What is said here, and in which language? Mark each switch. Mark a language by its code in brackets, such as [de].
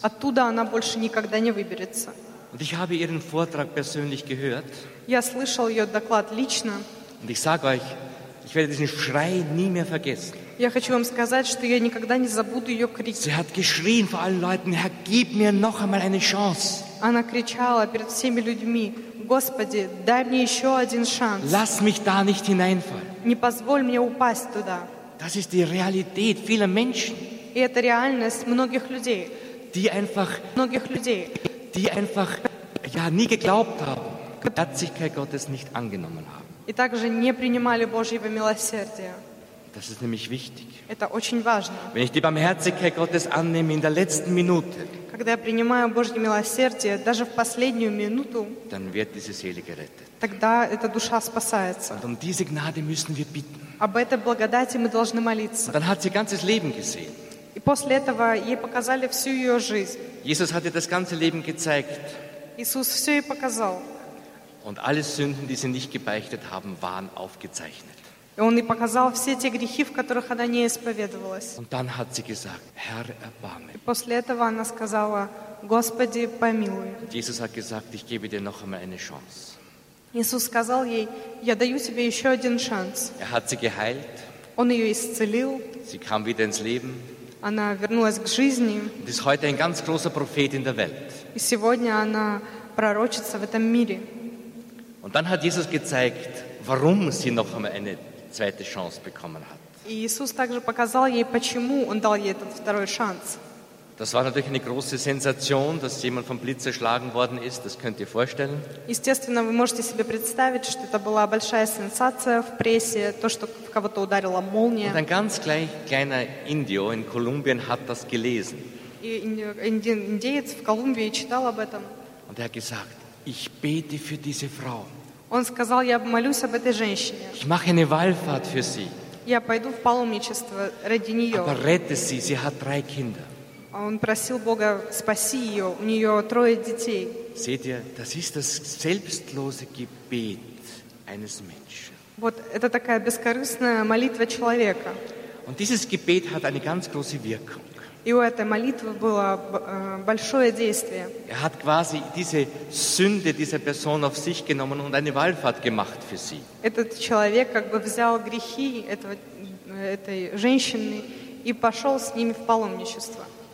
[ru] Оттуда она больше никогда не выберется. [de] Und ich habe ihren Vortrag persönlich gehört. [ru] Я слышал ее доклад лично. [de] Und ich sage euch, ich werde diesen Schrei nie mehr vergessen. [ru] Я хочу вам сказать, что я никогда не забуду ее крик. [de] Sie hat geschrien vor allen Leuten, Herr, gib mir noch einmal eine Chance. [ru] Она кричала перед всеми людьми, Господи, дай мне еще один шанс. [de] Lass mich da nicht hineinfallen. [ru] Не позволь мне упасть туда. [de] Das ist die Realität vieler Menschen. [ru] И это реальность многих людей. [de] Die einfach, [ru] многих людей. [de] Die einfach, ja, nie geglaubt haben, die Herzlichkeit Gottes nicht angenommen haben. [ru] И также не принимали Божьего милосердия. [de] Das ist nämlich wichtig. [ru] Это очень важно. [de] Wenn ich die Barmherzigkeit Gottes annehme in der letzten Minute, [ru] когда я принимаю Божье милосердие, даже в последнюю минуту, [de] dann wird diese Seele gerettet. [ru] Тогда эта душа спасается. [de] Und um diese Gnade müssen wir bitten. [ru] Об этой благодати мы должны молиться. [de] Und dann hat sie ganzes Leben gesehen. [ru] И после этого ей показали всю ее жизнь. [de] Jesus hat ihr das ganze Leben gezeigt. [ru] Иисус все ей показал. [de] Und alle Sünden, die sie nicht gebeichtet haben, waren aufgezeichnet. [ru] И он и показал все те грехи, в которых она не исповедовалась. [de] Und dann hat sie gesagt, Herr, erbarme. [ru] И после этого она сказала: Господи, помилуй. [de] Jesus hat gesagt, ich gebe dir noch einmal eine Chance. [ru] Иисус сказал ей: Я даю тебе еще один шанс. [de] Er hat sie geheilt. [ru] Он ее исцелил. [de] Sie kam wieder ins Leben. [ru] Она вернулась к жизни. [de] Und ist heute ein ganz großer Prophet in der Welt. [ru] И сегодня она пророчится в этом мире. [de] Und dann hat Jesus gezeigt, warum sie noch einmal eine zweite Chance bekommen hat. [ru] И Иисус также показал ей, почему он дал ей этот второй шанс. [de] Das war natürlich eine große Sensation, dass jemand vom Blitz erschlagen worden ist, das könnt ihr vorstellen. [ru] Естественно, вы можете себе представить, что это была большая сенсация в прессе, то, что кого-то ударила молния. [de] Und ein ganz kleiner Indio in Kolumbien hat das gelesen. [ru] И индеец в Колумбии читал об этом. [de] Und er hat gesagt, ich bete für diese Frau. [ru] Он сказал: Я молюсь об этой женщине. [de] Ich mache eine Wallfahrt für sie. [ru] Я пойду в паломничество ради нее. [de] Aber rette sie, sie hat drei Kinder. [ru] Он просил Бога: Спаси ее, у нее трое детей. [de] Seht ihr, das ist das selbstlose Gebet eines Menschen. [ru] Вот это такая бескорыстная молитва человека. [de] Und dieses Gebet hat eine ganz große Wirkung. [ru] И у этой молитвы было большое действие. [de] Er hat quasi diese Sünde dieser Person auf sich genommen und eine Wallfahrt gemacht für sie. [ru] Этот человек как бы взял грехи этой женщины и пошел с ними в паломничество.